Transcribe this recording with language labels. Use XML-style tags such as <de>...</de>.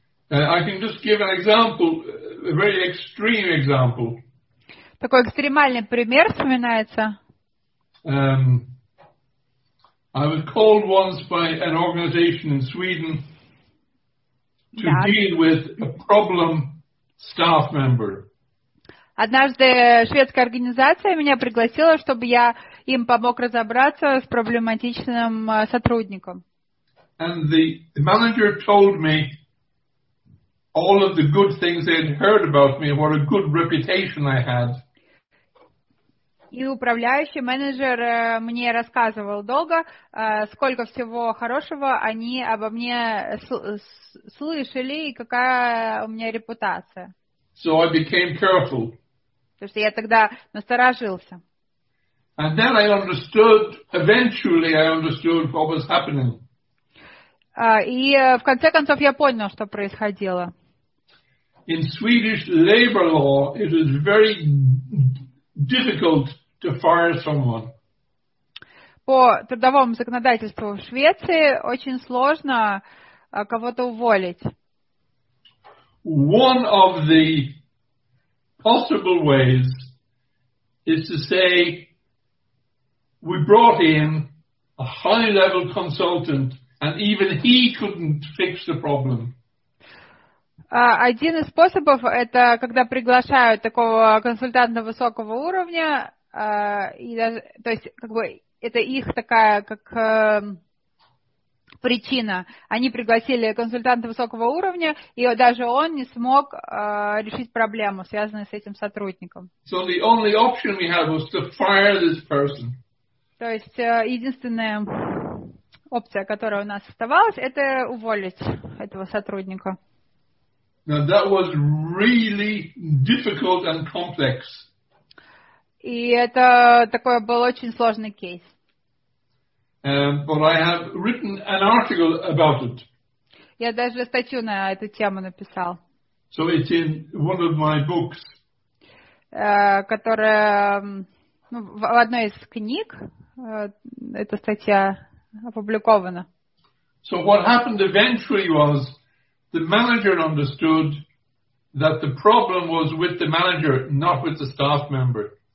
<en>I can just give an example, a very extreme example.</en> <ru>Такой экстремальный пример вспоминается.</ru> <en>I was called once by an organization in Sweden to deal with a problem staff member.</en> <ru>Однажды шведская организация меня пригласила, чтобы я им помог разобраться с проблематичным сотрудником.</ru> <en>And the manager told me all of the good things they had heard about me, what a good reputation I had.</en> <ru>И управляющий менеджер мне рассказывал долго, сколько всего хорошего они обо мне слышали и какая у меня репутация.</ru> <en>So I became careful.</en> <ru>Потому что я тогда насторожился.</ru> <en>And then I understood, eventually I understood what was happening.</en> <ru>И в конце концов я понял, что происходило.</ru> <en>In Swedish labor law, it is very difficult to fire someone.</en> <ru>По трудовому законодательству в Швеции очень сложно кого-то уволить.</ru> <en>One of the possible ways is to say we brought in a high-level consultant and even he couldn't fix the problem.</en> <ru>Один из способов – это когда приглашают такого консультанта высокого уровня, и даже, то есть как бы это их такая как причина. Они пригласили консультанта высокого уровня, и даже он не смог решить проблему, связанную с этим сотрудником.</ru> <en>So the only option we had was to fire this person.</en> <ru>То есть единственная опция, которая у нас оставалась, это уволить этого сотрудника.</ru> <en>Now that was really difficult and complex.</en> <ru>И это такой был очень сложный кейс.</ru> <en>But I have written an article about it.</en> <ru>Я даже статью на эту тему написал.</ru> <en>So it's in one of my books.</en> <ru>Которая, в одной из книг эта статья опубликована.</ru> <en>So what happened eventually was the manager understood that the problem was with the manager, not with the staff member.</en>